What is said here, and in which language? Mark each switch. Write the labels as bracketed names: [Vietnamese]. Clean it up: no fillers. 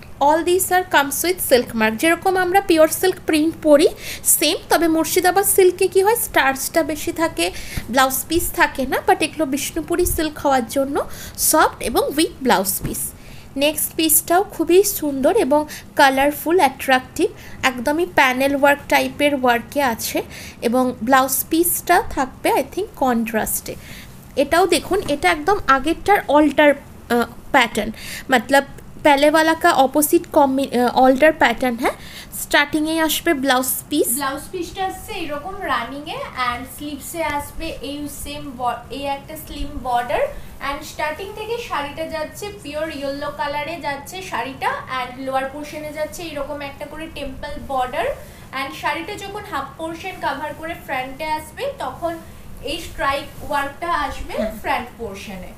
[Bangla] All this আর comes with silk mark, যেরকম আমরা pure silk print পরি same, তবে মুর্শিদাবাদ সিল্কে কী হয় স্টার্চটা বেশি থাকে, ব্লাউজ পিস থাকে না, বাট এগুলো বিষ্ণুপুরী সিল্ক হওয়ার জন্য সফট এবং উইক ব্লাউজ পিস। নেক্সট পিসটাও খুবই সুন্দর এবং কালারফুল অ্যাট্রাকটিভ, একদমই প্যানেল ওয়ার্ক টাইপের ওয়ার্কে আছে, এবং ব্লাউজ পিসটা থাকবে আই থিঙ্ক কন্ট্রাস্টে। এটাও দেখুন, এটা একদম আগেরটার অল্টার [Hindi] पैटर्न, मतलब पहले वाला का ऑपोजिट कॉम्बि ऑल्टर पैटर्न है। [Bangla] स्टार्टिंग এই আসবে ব্লাউজ পিস, ব্লাউজ পিসটা আসছে এরকম রানিং এ, এন্ড স্লিভস এ আসবে এই সেম এই একটা স্লিম বর্ডার, এন্ড স্টার্টিং থেকে শাড়িটা যাচ্ছে পিওর ইয়েলো কালারে যাচ্ছে শাড়িটা, এন্ড লোয়ার পোরশনে যাচ্ছে এরকম একটা করে টেম্পল বর্ডার, এন্ড শাড়িটা যখন হাফ পোরশন কভার করে ফ্রন্টে আসবে তখন এই স্ট্রাইপ ওয়ার্কটা আসবে ফ্রন্ট পোরশনে,